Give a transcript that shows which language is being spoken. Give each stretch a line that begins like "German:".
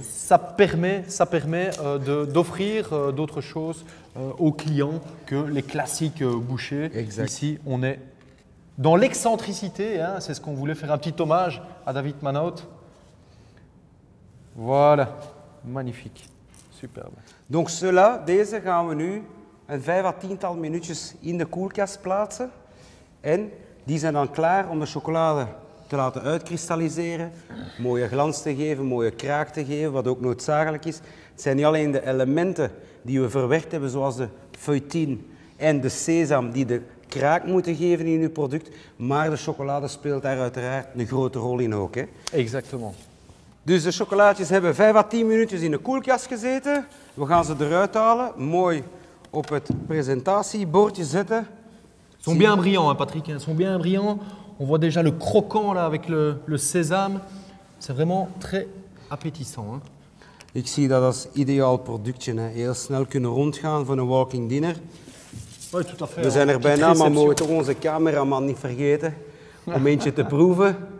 French: Ça permet d'offrir d'autres choses aux clients que les classiques bouchers. Exact. Ici, on est dans l'excentricité, hein, c'est ce qu'on voulait faire, un petit hommage à David Manaut. Voilà, magnifique, superbe. Donc cela,
Dutch: deze gaan we nu een 5 à 10 minuutjes in de koelkast plaatsen. En die zijn dan klaar om de chocolade te laten uitkristalliseren, mooie glans te geven, mooie kraak te geven, wat ook noodzakelijk is. Het zijn niet alleen de elementen die we verwerkt hebben, zoals de feuilletine en de sesam, die de kraak moeten geven in uw product, maar de chocolade speelt daar uiteraard een grote rol in ook. Hè?
French: Exactement.
Dutch: Dus de chocolaatjes hebben 5 à 10 minuutjes in de koelkast gezeten. We gaan ze eruit halen, mooi op het presentatiebordje zetten. Ze zijn
French: bien brillant, hein,
Dutch: Patrick, ze zijn
French: bien brillant. On voit déjà le croquant là avec le sésame. C'est vraiment très appétissant. Hein.
Dutch: Ik zie dat als idéal productje. Hè. Heel snel kunnen rondgaan voor een walking dinner.
French: Oui, tout à fait.
Dutch: We zijn er bijna, maar mogen we toch onze cameraman niet vergeten om eentje te proeven.